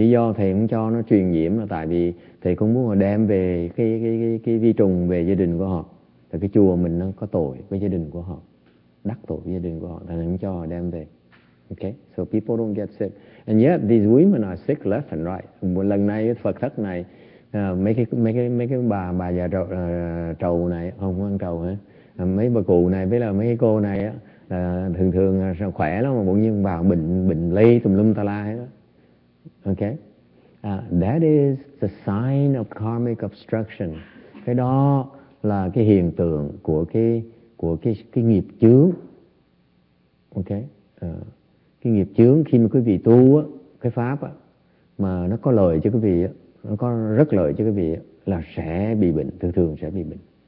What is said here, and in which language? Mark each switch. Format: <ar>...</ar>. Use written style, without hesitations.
<vi>Lý do thầy không cho nó truyền nhiễm là tại vì thầy không muốn họ đem về cái vi trùng về gia đình của họ. Tại cái chùa mình nó có tội với gia đình của họ, đắc tội với gia đình của họ, thầy không cho họ đem về.</vi> <en>Okay, so people don't get sick, and yet these women are sick left and right.</en> <vi>Một lần này Phật thất này, mấy cái bà già trầu này, không ăn trầu hả? Mấy bà cụ này với là mấy cái cô này á, thường thường khỏe lắm mà bỗng nhiên bà bệnh lây tùm lum ta la hết.</vi> <en>Okay, that is the sign of karmic obstruction.</en> <vi>Cái đó là cái hiện tượng của cái nghiệp chướng. Okay, cái nghiệp chướng khi mà quý vị tu á, cái pháp á, mà nó có lợi cho quý vị á, nó có rất lợi cho quý vị á, là sẽ bị bệnh, thường thường sẽ bị bệnh.</vi>